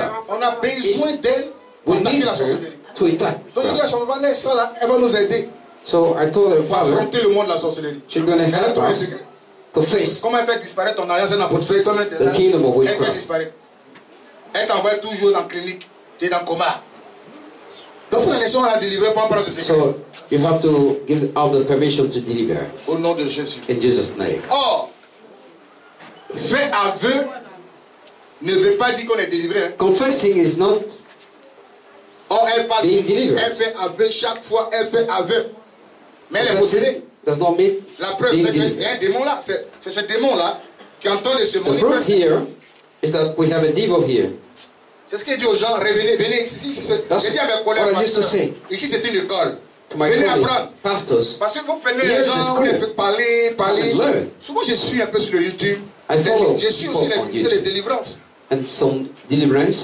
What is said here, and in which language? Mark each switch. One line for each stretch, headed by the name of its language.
French: On a besoin d'elle pour attaquer la sorcellerie. Donc il dit à son papa, laisse ça là, elle va nous aider.
English: So I told her father,
French: affronter le monde de la sorcellerie.
English: She's going to help us to face.
French: Comment elle fait disparaître ton alliance dans votre frère?
English: The kingdom of witchcraft.
French: Elle fait disparaître. Elle t'envoie toujours dans la clinique. T'es dans coma. Donc vous allez sûrement la délivrer pour prendre ce secret.
English: So you have to give out the permission to deliver.
French: Au nom de Jésus.
English: In Jesus' name.
French: Oh, fait aveu ne veut pas dire qu'on est délivré.
English: Confessing is not.
French: Oh, elle parle. Elle fait aveu chaque fois. Elle fait aveu. Mais elle est possédée.
English: Does not mean.
French: La preuve, c'est qu'il y a un démon là. C'est ce démon là qui entend les sermons.
English: The proof here is that we have a devil here.
French: C'est ce qu'il dit aux gens, revenez, venez ici. J'ai dit à mes collègues, pasteurs, ici c'est une école. Venez apprendre.
English: Pastors,
French: parce que vous prenez les gens, vous les faites parler. Souvent je suis un peu sur le YouTube.
English: I follow
French: je suis aussi les délivrances.
English: And some deliverances.